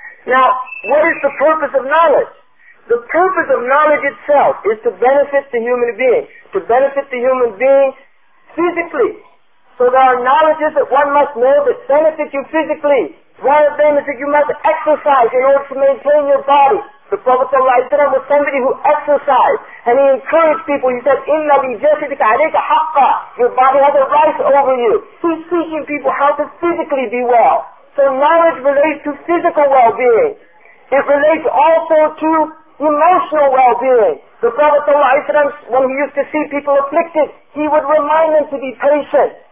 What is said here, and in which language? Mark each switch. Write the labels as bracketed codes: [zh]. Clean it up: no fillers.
[en] Now, what is the purpose of knowledge? The purpose of knowledge itself is to benefit the human being, to benefit the human being physically. So there are knowledges that one must know that benefit you physically. One of them is that you must exercise in order to maintain your body. The Prophet ﷺ was somebody who exercised, and he encouraged people. He said, [ar] إِنَّ لِجَسِدِكَ عَلَيْكَ حَقَّى. [en] Your body has a right over you. He's teaching people how to physically be well. So knowledge relates to physical well-being. It relates also to emotional well-being. The Prophet ﷺ, when he used to see people afflicted, he would remind them to be patient.